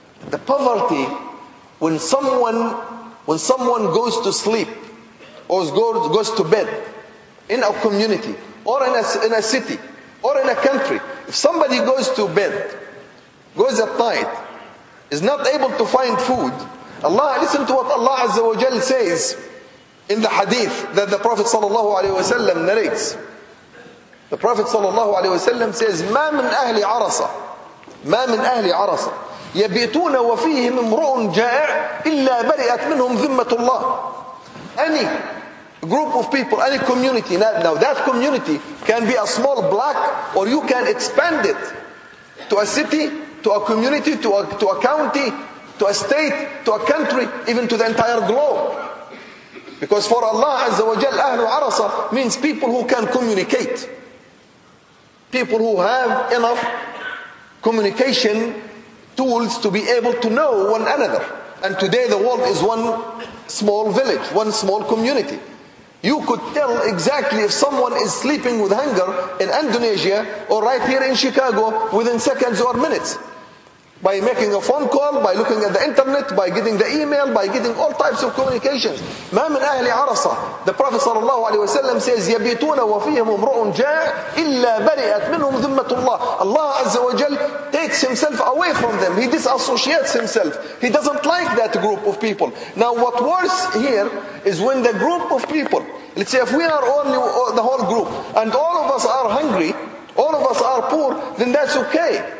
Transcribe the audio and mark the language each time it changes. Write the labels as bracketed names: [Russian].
[English] The poverty, when someone goes to sleep or goes to bed in a community or in a city or in a country, if somebody goes to bed, goes at night, is not able to find food, Allah, listen to what Allah Azza wa Jal says in the hadith that the Prophet sallallahu alayhi wa sallam narrates. The Prophet sallallahu alayhi wa sallam says, [Arabic] مَا مِنْ أَهْلِ عَرَصَ مَا مِنْ أَهْلِ عَرَصَ يَبِيْتُونَ وَفِيهِمْ امْرُؤٌ جَائِعٌ إِلَّا بَرِئَتْ مِنْهُمْ ذِمَّةُ اللَّهِ. [English] Any group of people, any community, now that community can be a small block, or you can expand it to a city, to a community, to a county, to a state, to a country, even to the entire globe. Because for Allah Azza wa Jal, Ahlu Arasa means people who can communicate. People who have enough communication tools to be able to know one another. And today the world is one small village, one small community. You could tell exactly if someone is sleeping with hunger in Indonesia or right here in Chicago within seconds or minutes. By making a phone call, by looking at the internet, by getting the email, by getting all types of communications. [Arabic] ما من أهل عرصة. [English] The Prophet [Arabic] صلى الله عليه وسلم [English] says, [Arabic] يبيتون وفيهم امرء جاء إلا برئت منهم ذمة الله. [English] Allah Azza wa Jal takes himself away from them. He disassociates himself. He doesn't like that group of people. Now what worse here is when the group of people, let's say if we are only the whole group, and all of us are hungry, all of us are poor, then that's okay.